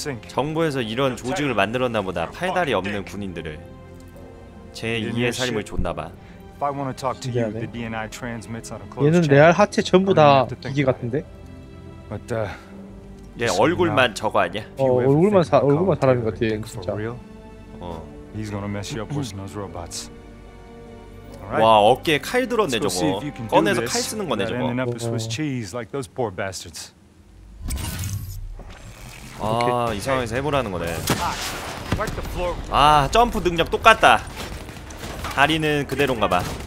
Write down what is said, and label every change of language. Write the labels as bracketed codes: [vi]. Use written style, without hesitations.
[ko] 정부에서 이런 조직을 만들었나 보다. 팔 다리 없는 군인들을 제 2의 삶을 줬나 봐. 신기하네. 얘는 레알 하체 전부 다 기계 같은데? 맞다. 얘 얼굴만 저거 아니야? 얼굴만 사람인 것 같아 진짜. [en] He's gonna mess you up with those robots. [ko] 와, 어깨에 칼 들었네 저거. 꺼내서 칼 쓰는 거네 저거. 아, 이 상황에서 해보라는 거네. 아, 점프 능력 똑같다. 다리는 그대로인가 봐.